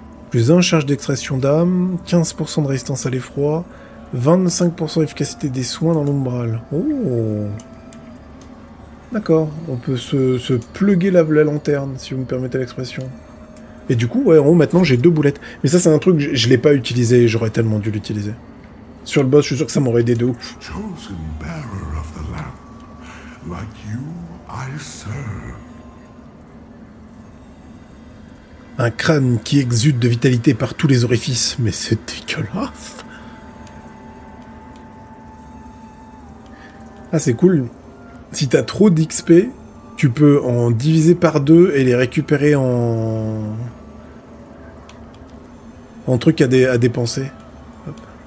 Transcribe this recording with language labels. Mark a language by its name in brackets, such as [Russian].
[French] Plus 1 charge d'extraction d'âme, 15% de résistance à l'effroi, 25% efficacité des soins dans l'ombral. Oh! D'accord, on peut se pluguer la lanterne, si vous me permettez l'expression. Et du coup, ouais, oh, maintenant j'ai 2 boulettes. Mais ça, c'est un truc, je l'ai pas utilisé, j'aurais tellement dû l'utiliser. Sur le boss, je suis sûr que ça m'aurait aidé de ouf. [English] Chosen bearer of the lamp, like you, I serve. [French] Un crâne qui exude de vitalité par tous les orifices, mais c'est dégueulasse. Ah, c'est cool. Si t'as trop d'XP, tu peux en diviser par 2 et les récupérer en truc à dépenser. Hop.